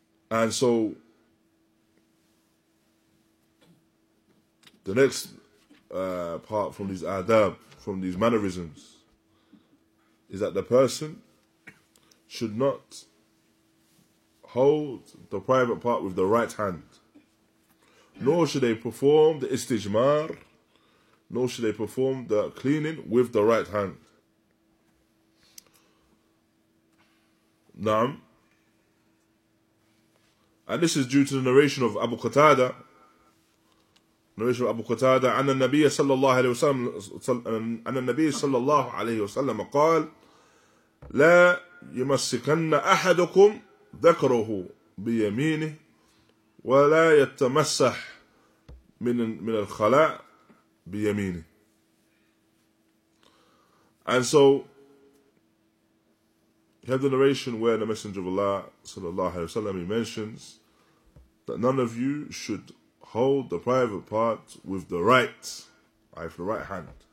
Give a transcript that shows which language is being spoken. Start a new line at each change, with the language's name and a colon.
English: And so, the next part from these adab, from these mannerisms, is that the person should not hold the private part with the right hand, nor should they perform the istijmar, nor should they perform the cleaning with the right hand.
Arabic: Naam.
English: And this is due to the narration of Abu Qatada.
Arabic: عن النبي صلى الله عليه وسلم عن النبي صلى الله عليه وسلم قال لا يمسكن أحدكم ذكره بيمينه ولا يتمسح من الخلاء بيمينه.
English: And so you have the narration where the Messenger of Allah
Arabic: صلى الله عليه وسلم,
English: he mentions that none of you should hold the private part with the right, I have the right hand.